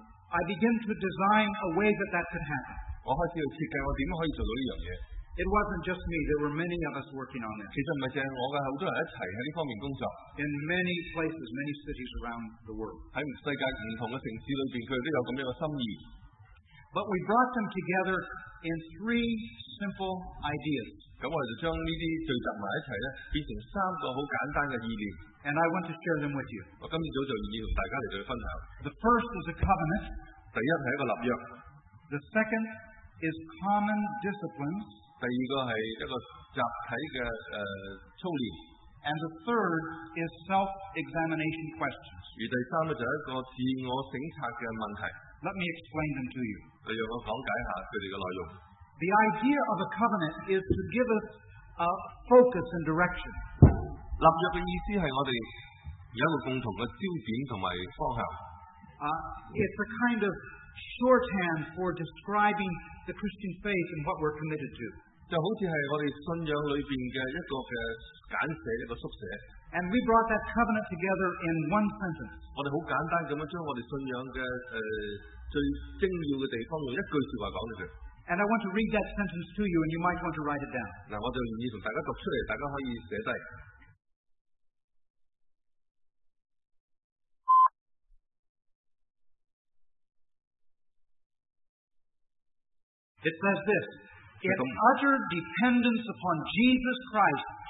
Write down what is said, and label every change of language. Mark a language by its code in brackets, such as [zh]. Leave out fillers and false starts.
[en] I began to design a way that that could happen. [yue] 我開始要設計我點樣可以做到呢樣嘢。 [en] It wasn't just me, there were many of us working on this. [yue] 其實唔係淨係我嘅，好多人一齊喺呢方面工作。 [en] In many places, many cities around the world. [yue] 喺世界唔同嘅城市裏邊，佢都有咁樣嘅心意。 [en] But we brought them together in three simple ideas. [yue] 咁我哋就將呢啲聚集埋一齊咧，變成三個好簡單嘅意念。 [en] And I want to share them with you. [yue] 我今次早就願意同大家嚟到分享。 [en] The first is a covenant. [yue] 第一係一個立約。 [en] The second is common disciplines. [yue] 第二個係一個集體嘅操練。 [en] And the third is self-examination questions. [yue] 而第三個就係一個自我省察嘅問題。 [en] Let me explain them to you. [yue] 我讲解一下佢哋嘅内容。 [en] The idea of a covenant is to give us a focus and direction. [yue] 立约嘅意思系我哋有一个共同嘅焦点同埋方向。 [en] It's a kind of shorthand for describing the Christian faith and what we're committed to. [yue] 就好似系我哋信仰里边嘅一个嘅简写，一个缩写。 [en] And we brought that covenant together in one sentence. [yue] 我哋好简单咁样将我哋信仰嘅最精要嘅地方用一句说话讲出嚟。 [en] And I want to read that sentence to you, and you might want to write it down. [yue] 嗱，我就愿意同大家读出嚟，大家可以写低。 [en] It says this: In utter dependence upon Jesus Christ.